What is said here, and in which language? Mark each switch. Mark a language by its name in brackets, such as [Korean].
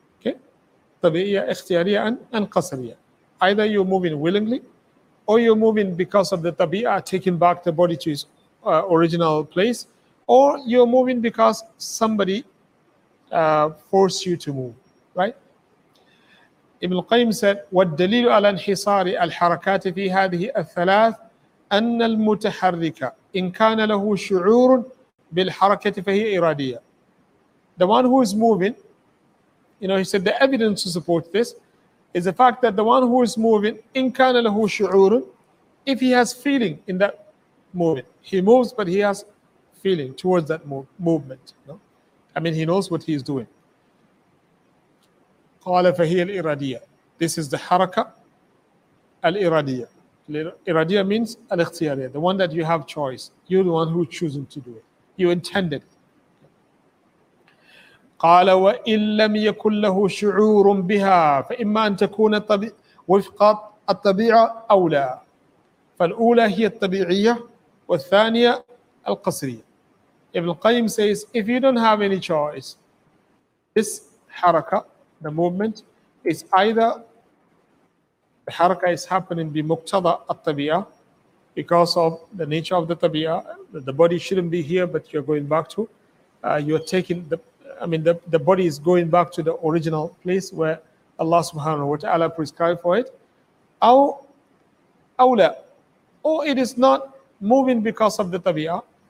[English] Okay, tabi'iyya, ikhtiyariyya, and qasriya. Either you're moving willingly, or you're moving because of the tabi'a, taking back the body to its original place, or you're moving because somebody forced you to move, right? Ibn Qayyim said, [Arabic] وَالدَّلِيلُ عَلَى انْحِصَارِ الْحَرَكَاتِ فِي هَذِهِ الثَّلَاثِ أَنَّ الْمُتَحَرِّكَ إِنْ كَانَ لَهُ شُعُورٌ بِالْحَرَكَةِ فَهِيَ إِرَادِيَةٌ. [English] The one who is moving, you know, he said the evidence to support this is the fact that the one who is moving, [Arabic] in kana lahu shu'urun, [English] if he has feeling in that movement, he moves but he has feeling towards that movement. No? I mean, he knows what he is doing. [Arabic] قال فهي الإرادية. [English] This is the haraka al-iradiya. Iradiya means al-ikhtiyariya, the one that you have choice. You're the one who chosen to do it. You intended. [Arabic] قال وإن لم يكن له شعور بها فإما أن تكون وفق الطبيعة أو لا. فالأولى هي الطبيعية والثانية القصرية. [English] Ibn Qayyim says, if you don't have any choice, this haraka, the movement, is either the haraka is happening [Arabic] bi muqtada at-tabi'ah, [English] because of the nature of the tabi'ah, the body shouldn't be here, but you're going back to, the body is going back to the original place where Allah subhanahu wa ta'ala prescribed for it, or it is not moving because of the tabi'ah.